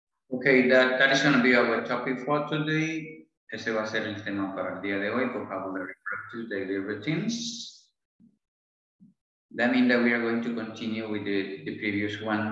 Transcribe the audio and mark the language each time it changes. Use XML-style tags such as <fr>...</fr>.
<en>Okay, that is going to be our topic for today.</en> <es>Ese va a ser el tema para el día de hoy,</es> <en>vocabulary practice, daily routines. That means that we are going to continue with the previous one.</en>